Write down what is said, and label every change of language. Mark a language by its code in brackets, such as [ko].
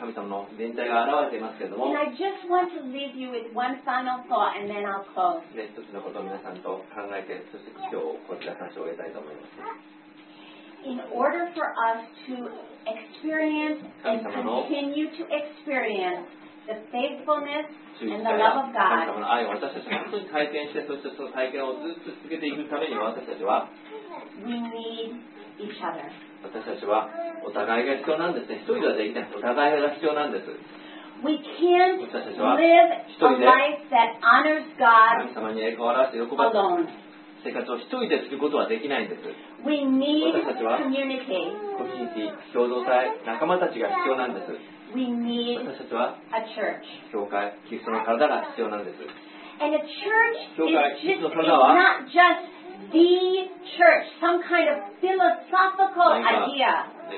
[en] And I just want to leave you with one final thought and then I'll close. [ja] 一つのことを皆さんと考えて、そして今日こちら話を終えたいと思います。 [en] In order for us to experience and continue to experience the faithfulness and the love of God, [ja] 神様の愛を私たちが本当に体験して、そしてその体験をずっと続けていくために私たちは、 [en] We need each other. [ja] 私たちはお互いが必要なんですね。一人ではできない。お互いが必要なんです。 [en] We can't live a life that honors God alone. [ja] 生活を一人ですることはできないんです。 [en] We need community. [ja] 私たちはコミュニティ、共同体、仲間たちが必要なんです。 [en] We need a church. [ja] 私たちは教会、キリストの体が必要なんです。 [en] And a church is not justThe church, some kind of philosophical idea.